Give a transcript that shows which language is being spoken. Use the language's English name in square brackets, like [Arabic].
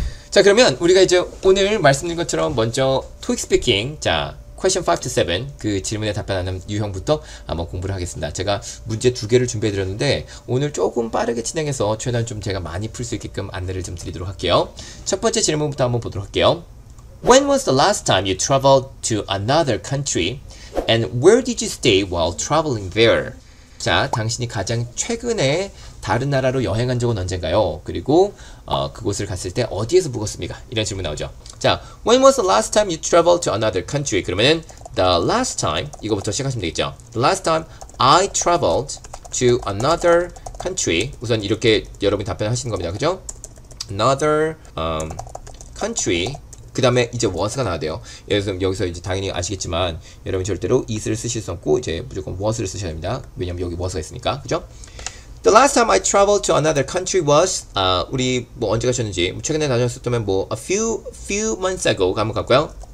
[Korean] 자, 그러면 우리가 이제 오늘 말씀드린 것처럼 먼저 토익 스피킹. 자. [English] Question 5 to 7, [Korean] 그 질문에 답변하는 유형부터 한번 공부를 하겠습니다. 제가 문제 두 개를 준비해드렸는데, 오늘 조금 빠르게 진행해서 최대한 좀 제가 많이 풀수 있게끔 안내를 좀 드리도록 할게요. 첫 번째 질문부터 한번 보도록 할게요. [English] When was the last time you traveled to another country? And where did you stay while traveling there? [Korean] 자, 당신이 가장 최근에 다른 나라로 여행한 적은 언젠가요? 그리고 그곳을 갔을 때 어디에서 묵었습니까? 이런 질문 나오죠. [English] 자, When was the last time you traveled to another country? [Korean] 그러면은 the last time 이거부터 시작하시면 되겠죠. [English] The last time I traveled to another country. [Korean] 우선 이렇게 여러분이 답변하시는 겁니다. [English] 그죠? Another country. [Korean] 그 다음에 이제 was가 나와야 돼요. 여기서 이제 당연히 아시겠지만 여러분 절대로 is를 쓰실 수 없고 이제 무조건 was를 쓰셔야 됩니다. 왜냐면 여기 was가 있으니까. 그죠? [English] The last time I traveled to another country was [Korean] 우리 뭐 언제 가셨는지 최근에 다녔었다면 뭐 [English] a few months ago [Korean] 한번 갈까요?